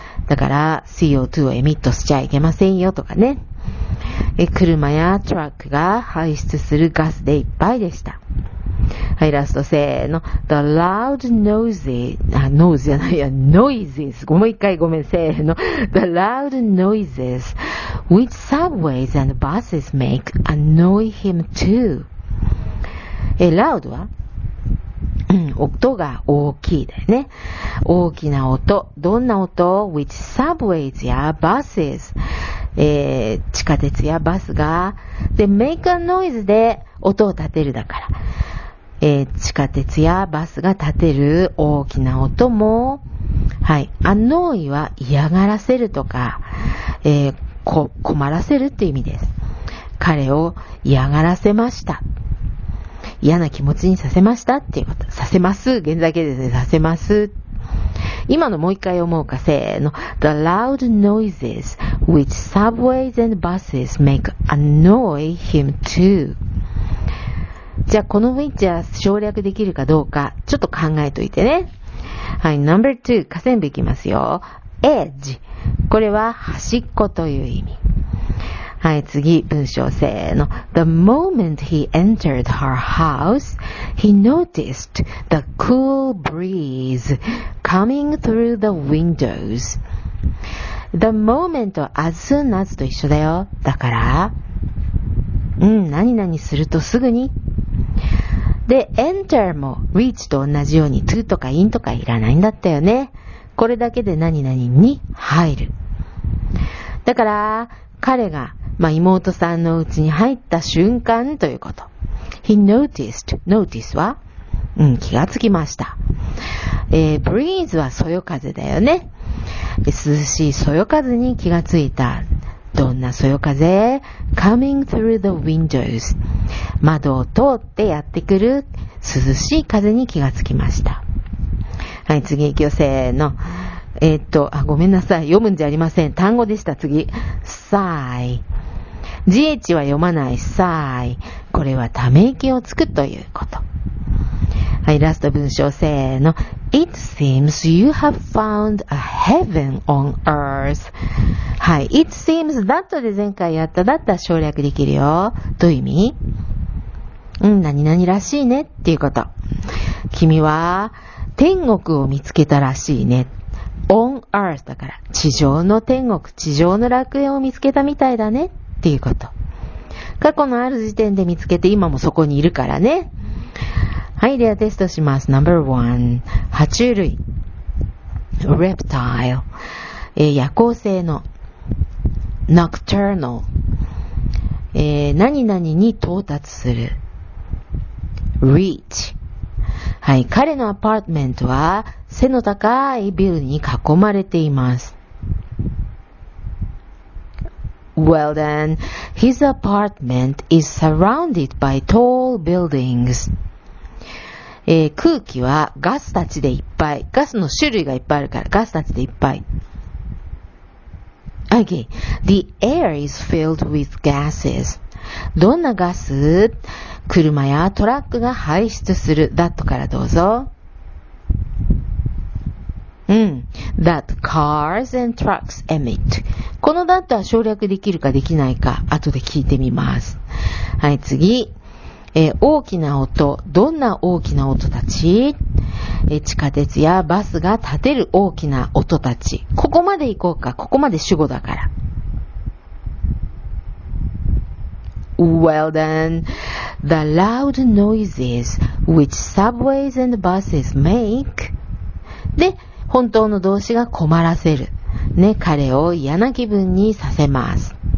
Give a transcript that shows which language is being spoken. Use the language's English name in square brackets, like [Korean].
[Japanese] だから CO2 をエミットしちゃいけませんよとかね。車や truck が排出するガスでいっぱいでした。はい、ラストせーの。 [English] The loud noises, [Japanese] あ、ノーズじゃないや、noises. もう一回ごめん、せーの。 [English] The loud noises, which subways and buses make, annoy him too. [Japanese] loud は、音が大きいだよね。大きな音。どんな音？ [English] which subways [Japanese] や buses、地下鉄やバスが、で、 [English] make a noise [Japanese] で音を立てるだから。地下鉄やバスが立てる大きな音も、はい、アノイは嫌がらせるとか、困らせるっていう意味です。彼を嫌がらせました。嫌な気持ちにさせましたっていうこと。させます。現在形ですね。させます。今のもう一回思うか、せーの。 [English] The loud noises which subways and buses make annoy him too. [Japanese] じゃあ、このウィッチは省略できるかどうか、ちょっと考えといてね。はい、ナンバー2、下線部いきますよ。エッジ。これは端っこという意味。はい、次、文章、せーの。 [English] The moment he entered her house, he noticed the cool breeze coming through the windows. The moment, as soon as [Japanese] と一緒だよ。だから、何々するとすぐに。で、enter も reach と同じように to とか in とかいらないんだったよね。これだけで何々に入る。だから、彼が、まあ、妹さんの家に入った瞬間ということ。 [English] He noticed. [Japanese] Notice は、気がつきました。 Breeze はそよ風だよね。涼しいそよ風に気がついた。どんなそよ風？ [English] Coming through the windows. [Japanese] 窓を通ってやってくる涼しい風に気がつきました。はい、次行きよ、せーの。ごめんなさい。読むんじゃありません。単語でした。次。sigh。 gh は読まない。sigh。これはため息をつくということ。はい、ラスト文章、せーの。 [English] It seems you have found a heaven on earth. [Japanese] はい、 [English] It seems that [Japanese] で前回やっただったら省略できるよ。どういう意味？何々らしいねっていうこと。君は天国を見つけたらしいね。 on earth だから、地上の天国、地上の楽園を見つけたみたいだねっていうこと。過去のある時点で見つけて今もそこにいるからね。はい、ではテストします。 [English] Number one. 爬虫類。Reptile. 夜行性の。Nocturnal. 何々に到達する。Reach. [Japanese] はい、彼のアパートメントは背の高いビルに囲まれています。 [English] Well then, his apartment is surrounded by tall buildings. [Japanese] 空気はガスたちでいっぱい。ガスの種類がいっぱいあるから、ガスたちでいっぱい。 [English] Okay. The air is filled with gases. [Japanese] どんなガス？車やトラックが排出する。 That からどうぞ。 [English] That cars and trucks emit. [Japanese] この that は省略できるかできないか、後で聞いてみます。はい、次。大きな音。どんな大きな音たち？地下鉄やバスが立てる大きな音たち。ここまで行こうか。ここまで主語だから。 [English] Well then, the loud noises which subways and buses make. [Japanese] で、本当の動詞が困らせる。ね、彼を嫌な気分にさせます。